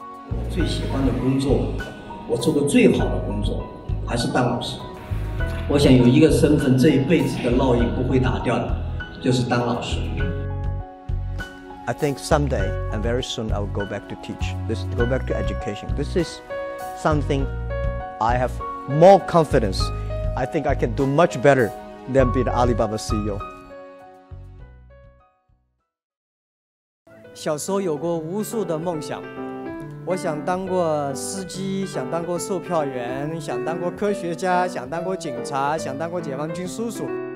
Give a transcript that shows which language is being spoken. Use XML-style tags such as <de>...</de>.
<zh>我最喜欢的工作，我做过最好的工作，还是当老师。我想有一个身份，这一辈子的烙印不会打掉的，就是当老师。</zh> <en>I think someday and very soon I will go back to teach. This go back to education. This is something I have more confidence. I think I can do much better than be the Alibaba CEO.</en> <zh>小时候有过无数的梦想，我想当过司机，想当过售票员，想当过科学家，想当过警察，想当过解放军叔叔。</zh>